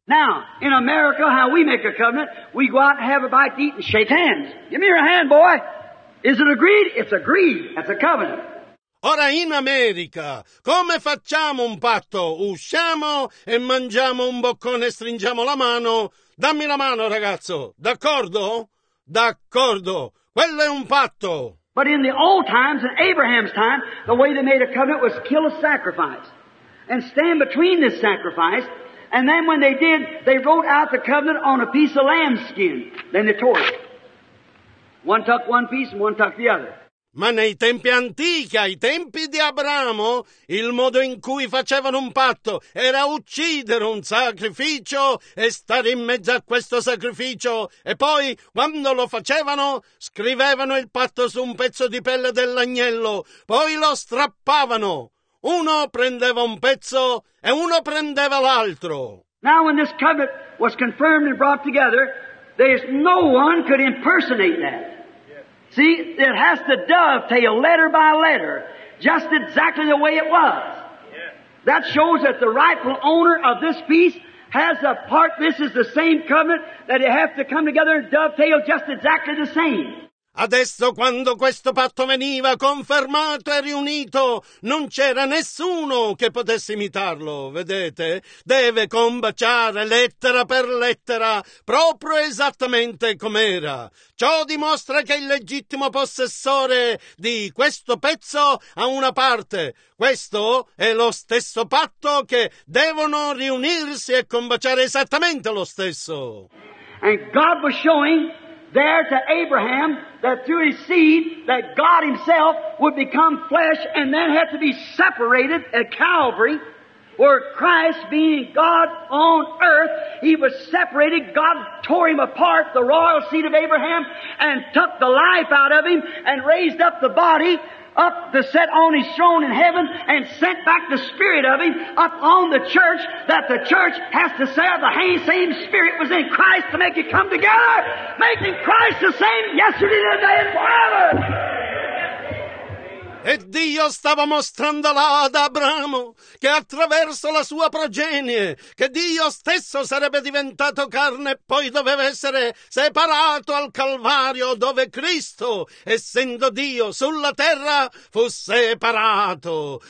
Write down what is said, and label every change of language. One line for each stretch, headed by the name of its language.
English: Now, in America, how we make a covenant, we go out and have a bite to eat and shake hands. Give me your hand, boy. Is it agreed? It's agreed. That's a covenant.
Italian: Ora in America, come facciamo un patto? Usciamo e mangiamo un boccone e stringiamo la mano. Dammi la mano, ragazzo. D'accordo? D'accordo. Quello è un patto.
English: But in the old times, in Abraham's time, the way they made a covenant was kill a sacrifice and stand between this sacrifice. And then when they did, they wrote out the covenant on a piece of lamb skin. Then they tore it. One took one piece and one took the other.
Italian: Ma nei tempi antichi, ai tempi di Abramo, il modo in cui facevano un patto era uccidere un sacrificio e stare in mezzo a questo sacrificio. E poi, quando lo facevano, scrivevano il patto su un pezzo di pelle dell'agnello. Poi lo strappavano. Uno prendeva un pezzo e uno prendeva l'altro.
English: Now when this covenant was confirmed and brought together, there's no one could impersonate that. See, it has to dovetail letter by letter, just exactly the way it was. Yeah. That shows that the rightful owner of this piece has a part. This is the same covenant that it has to come together and dovetail just exactly the same.
Italian: Adesso quando questo patto veniva confermato e riunito, non c'era nessuno che potesse imitarlo, vedete? Deve combaciare lettera per lettera, proprio esattamente com'era. Ciò dimostra che il legittimo possessore di questo pezzo ha una parte. Questo è lo stesso patto che devono riunirsi e combaciare esattamente lo stesso.
English: And God was showing there to Abraham that through his seed that God himself would become flesh and then had to be separated at Calvary, where Christ being God on earth, he was separated. God tore him apart, the royal seed of Abraham, and took the life out of him and raised up the body up to set on his throne in heaven and sent back the spirit of him up on the church, that the church has to say the same spirit was in Christ to make it come together, making Christ the same yesterday, today, and forever.
Italian: E Dio stava mostrando là ad Abramo che attraverso la sua progenie, che Dio stesso sarebbe diventato carne e poi doveva essere separato al Calvario, dove Cristo, essendo Dio sulla terra, fu separato.